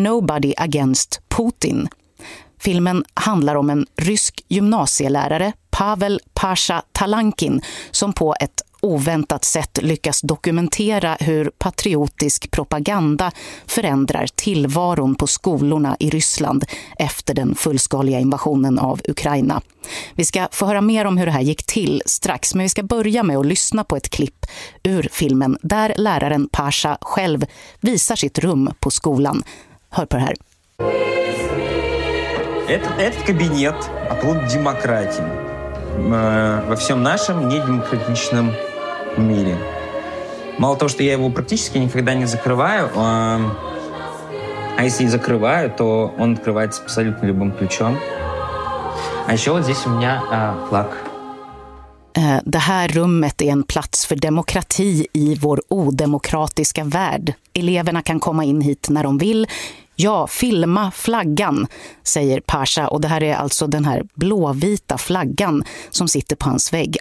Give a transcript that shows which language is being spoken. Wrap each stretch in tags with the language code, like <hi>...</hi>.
<sv>Nobody Against Putin. Filmen handlar om en rysk gymnasielärare, Pavel Pasha Talankin, som på ett oväntat sätt lyckas dokumentera hur patriotisk propaganda förändrar tillvaron på skolorna i Ryssland efter den fullskaliga invasionen av Ukraina. Vi ska få höra mer om hur det här gick till strax, men vi ska börja med att lyssna på ett klipp ur filmen där läraren Pasha själv visar sitt rum på skolan. Hör på det här.</sv> <ru>Это кабинет, а тут демократия. Во всем нашем недемократичном мире. Мало того, что я его практически никогда не закрываю, а если и закрываю, то он открывается абсолютно любым ключом. А еще вот здесь у меня флаг.</ru> <sv>Det här rummet är en plats för demokrati i vår odemokratiska värld. Eleverna kan komma in hit när de vill. Ja, filma flaggan, säger Pasha. Och det här är alltså den här blåvita flaggan som sitter på hans vägg.</sv>